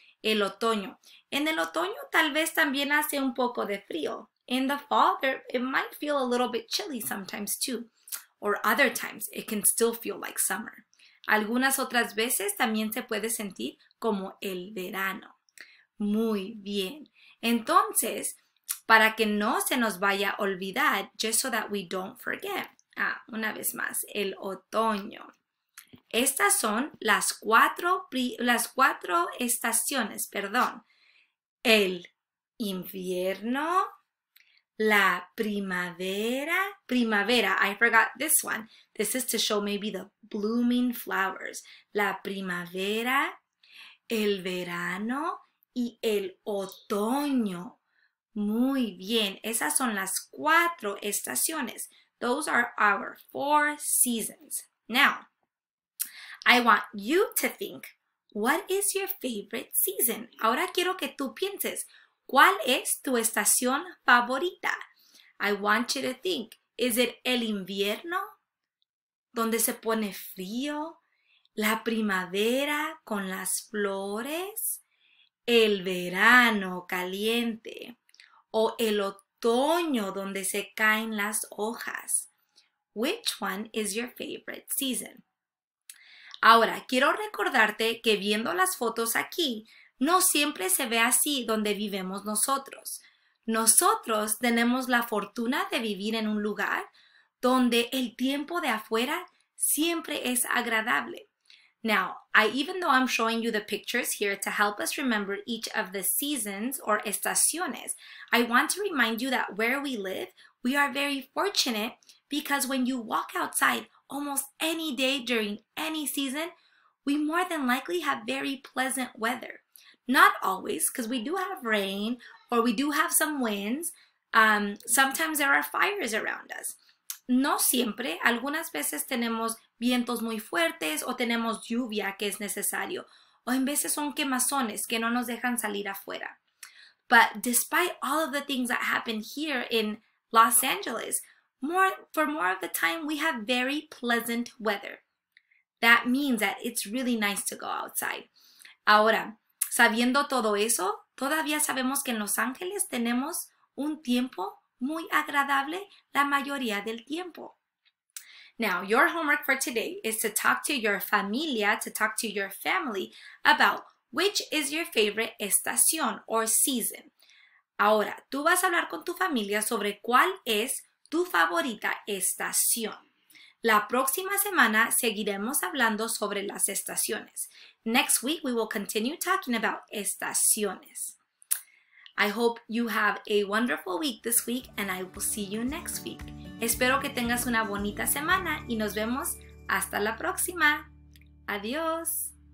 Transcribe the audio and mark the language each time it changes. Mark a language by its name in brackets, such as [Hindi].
[Spanish] El otoño. En el otoño, tal vez también hace un poco de frío. [English] In the fall, it might feel a little bit chilly sometimes too. Or other times, it can still feel like summer. [Spanish] Algunas otras veces también se puede sentir como el verano. Muy bien. Entonces, para que no se nos vaya a olvidar, [English] just so that we don't forget. [Spanish] Ah, una vez más, el otoño. Estas son las cuatro estaciones, perdón. El invierno, la primavera, [English] I forgot this one. This is to show maybe the blooming flowers. [Spanish] La primavera, el verano y el otoño. Muy bien, esas son las cuatro estaciones. [English] Those are our four seasons. Now, I want you to think, what is your favorite season? [Spanish] Ahora quiero que tú pienses, ¿cuál es tu estación favorita? [English] I want you to think, is it el invierno, [Spanish] donde se pone frío? La primavera con las flores? El verano caliente? O el otoño donde se caen las hojas? [English] Which one is your favorite season? [Spanish] Ahora, quiero recordarte que viendo las fotos aquí, no siempre se ve así donde vivimos nosotros. Nosotros tenemos la fortuna de vivir en un lugar donde el tiempo de afuera siempre es agradable. [English] Now, even though I'm showing you the pictures here to help us remember each of the seasons or estaciones, I want to remind you that where we live, we are very fortunate because when you walk outside almost any day during any season, we more than likely have very pleasant weather. Not always, because we do have rain or we do have some winds. Sometimes there are fires around us. [Spanish] No siempre, algunas veces tenemos vientos muy fuertes o tenemos lluvia que es necesario. O en veces son quemazones que no nos dejan salir afuera. [English] But despite all of the things that happen here in Los Angeles, for more of the time, we have very pleasant weather. That means that it's really nice to go outside. [Spanish] Ahora, sabiendo todo eso, todavía sabemos que en Los Ángeles tenemos un tiempo muy agradable la mayoría del tiempo. [English] Now, your homework for today is to talk to your familia, to talk to your family about which is your favorite estación or season. [Spanish] Ahora, tú vas a hablar con tu familia sobre cuál es tu favorita estación. La próxima semana seguiremos hablando sobre las estaciones. [English] Next week, we will continue talking about estaciones. I hope you have a wonderful week this week and I will see you next week. [Spanish] Espero que tengas una bonita semana y nos vemos hasta la próxima. Adiós.